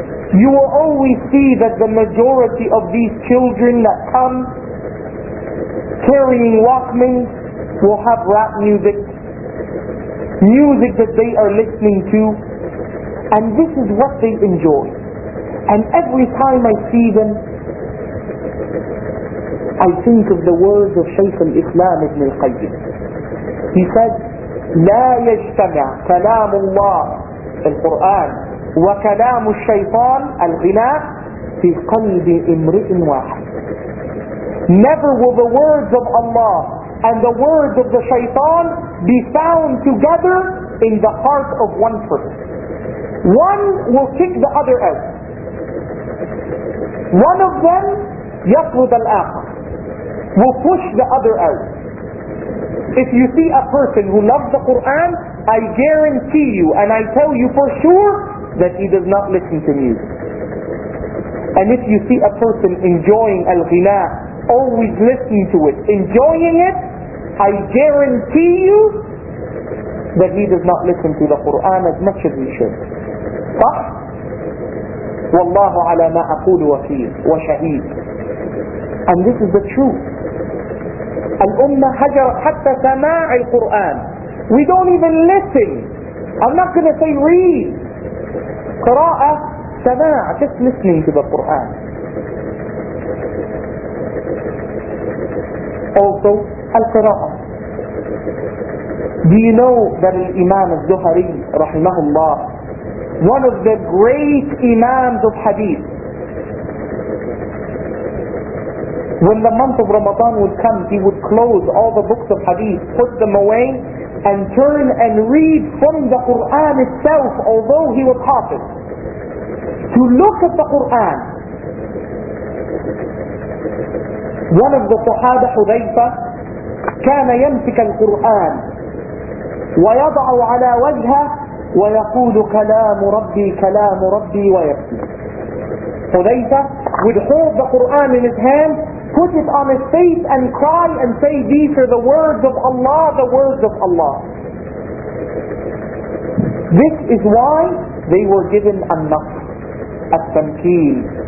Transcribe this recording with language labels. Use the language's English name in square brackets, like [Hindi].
[English] You will always see that the majority of these children that come carrying Walkmans will have rap music, music that they are listening to, and this is what they enjoy. And every time I see them, I think of the words of Shaykh al-Islam ibn al-Qayyim. He said, [Arabic] لا يجتمع كلام الله القرآن وكلام الشيطان الغناء في قلب امرئ واحد. [English] Never will the words of Allah and the words of the shaitan be found together in the heart of one person. One will kick the other out. One of them, [Arabic] يطرد الآخر, [English] will push the other out. If you see a person who loves the Quran, I guarantee you and I tell you for sure that he does not listen to music. And if you see a person enjoying al-ghina, always listening to it, enjoying it, I guarantee you that he does not listen to the Quran as much as he should. [Arabic] صح؟ والله على ما أقول وفيه وشهيد. [English] And this is the truth. [Arabic] الأمة هجرت حتى سماع القرآن. [English] We don't even listen. I'm not going to say read. [Arabic] قراءة سماع, [English] just listening to the Quran. Also, القراءة. Do you know that Imam al-Zuhari رحمه الله, one of the great Imams of Hadith, when the month of Ramadan would come, he would close all the books of Hadith, put them away, and turn and read from the Quran itself, although he was Hafiz, to look at the Quran. One of the Sahaba [Arabic] Hudhayfa كان يمسك القرآن ويضع على وجهه ويقول كلام ربي كلام ربي ويبكي. [English] Hudhayfa would hold the Quran in his hand, put it on his face and cry and say, these are the words of Allah, the words of Allah. This is why they were given an-nafs, at-tamkeen.